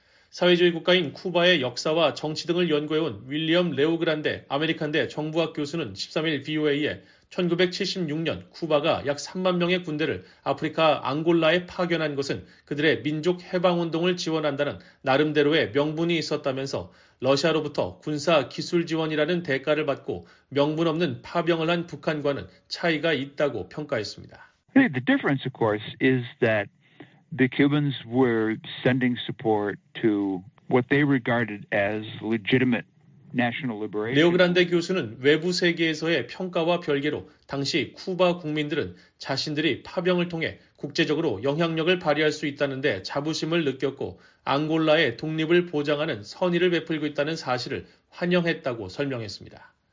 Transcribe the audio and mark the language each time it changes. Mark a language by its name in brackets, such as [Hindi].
[Korean] 사회주의 국가인 쿠바의 역사와 정치 등을 연구해온 윌리엄 레오그란데 아메리칸대 정부학 교수는 13일 VOA에 1976년 쿠바가 약 3만 명의 군대를 아프리카 앙골라에 파견한 것은 그들의 민족 해방운동을 지원한다는 나름대로의 명분이 있었다면서 러시아로부터 군사 기술 지원이라는 대가를 받고 명분 없는 파병을 한 북한과는 차이가 있다고 평가했습니다. [English] The difference, of course, is that the Cubans were sending support to what they regarded as legitimate [Korean] 레오그란데 교수는 외부 세계에서의 평가와 별개로 당시 쿠바 국민들은 자신들이 파병을 통해 국제적으로 영향력을 발휘할 수 있다는 데 자부심을 느꼈고 앙골라의 독립을 보장하는 선의를 베풀고 있다는 사실을 환영했다고 설명했습니다.